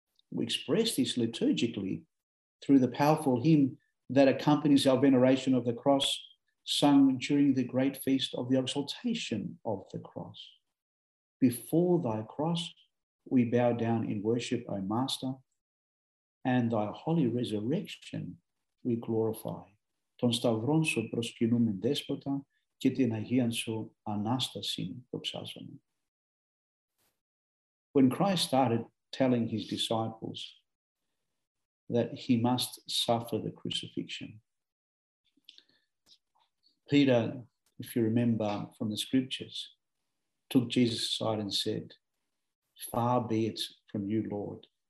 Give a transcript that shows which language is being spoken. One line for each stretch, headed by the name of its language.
English: We express this liturgically through the powerful hymn that accompanies our veneration of the cross, sung during the great feast of the exaltation of the cross. Before thy cross, we bow down in worship, O Master, and thy holy resurrection we glorify.
Greek: Τον Σταυρόν σου προσκυνούμε δέσποτα και την Αγίαν σου Ανάσταση δοξάζομαι.
English: When Christ started telling his disciples that he must suffer the crucifixion, Peter, if you remember from the scriptures, took Jesus aside and said, "Far be it from you, Lord.